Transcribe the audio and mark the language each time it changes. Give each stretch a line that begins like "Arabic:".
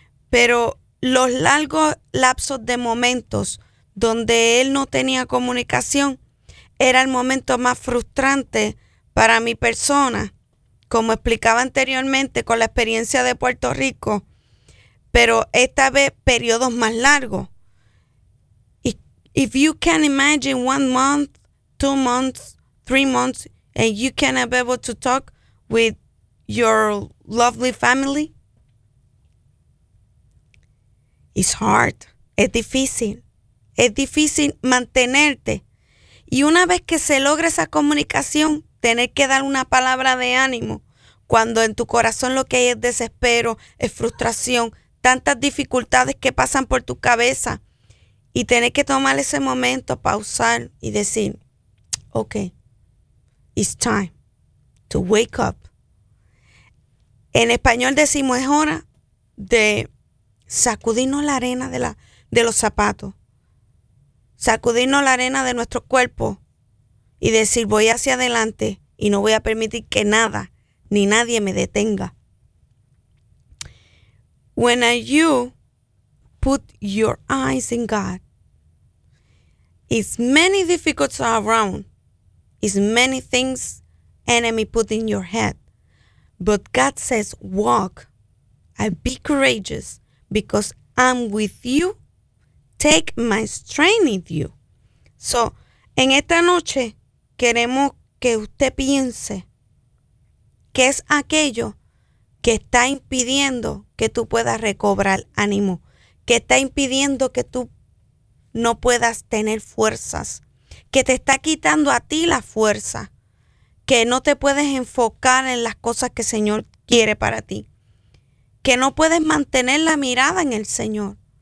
Spanish: Pero los largos lapsos de momentos donde él no tenía comunicación era el momento más frustrante para mi persona. Como explicaba anteriormente con la experiencia de Puerto Rico, pero esta vez periodos más largos.
English: If you can imagine 1 month, 2 months, 3 months, and you cannot be able to talk with your lovely family, It's hard.
Spanish: Es difícil. Es difícil mantenerte. Y una vez que se logra esa comunicación, tener que dar una palabra de ánimo, cuando en tu corazón lo que hay es desespero, es frustración, tantas dificultades que pasan por tu cabeza, y tener que tomar ese momento, pausar y decir, ok,
English: it's time to wake up.
Spanish: En español decimos, es hora de sacudirnos la arena de los zapatos, sacudirnos la arena de nuestro cuerpo y decir, voy hacia adelante y no voy a permitir que nada ni nadie me detenga.
English: When you put your eyes in God, it's many difficulties around, it's many things enemy put in your head. But God says, walk and be courageous because I'm with you. Take my strength in you.
Spanish: So, en esta noche queremos que usted piense qué es aquello que está impidiendo que tú puedas recobrar ánimo, que está impidiendo que tú no puedas tener fuerzas, que te está quitando a ti la fuerza, que no te puedes enfocar en las cosas que el Señor quiere para ti, que no puedes mantener la mirada en el Señor.